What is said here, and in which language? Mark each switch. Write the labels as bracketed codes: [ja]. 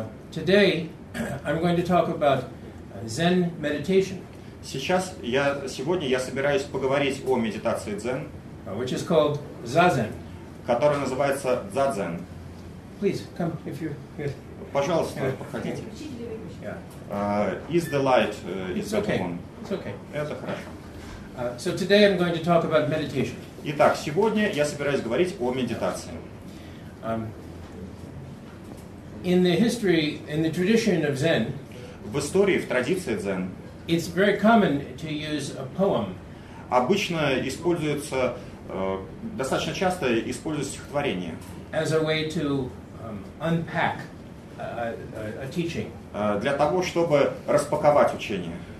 [en] Today I'm going to talk about Zen meditation. [ru] Сегодня я собираюсь поговорить о медитации дзен, [en] which is called Zazen, [ru] которая называется Zazen. [en] Please come if you. [ru] Пожалуйста, проходите. [en] Yeah. Is the light is okay. The one. It's okay. [ru] Это хорошо. [en] So today I'm going to talk about meditation. [ru] Итак, сегодня я собираюсь говорить о медитации. [en] In the history, in the tradition of Zen, [ru] в истории, в традиции дзен, [en] it's very common to use a poem. [ru] Обычно используется достаточно часто используется стихотворение. [en] As a way to unpack a teaching. [ru] Для того, чтобы распаковать учение.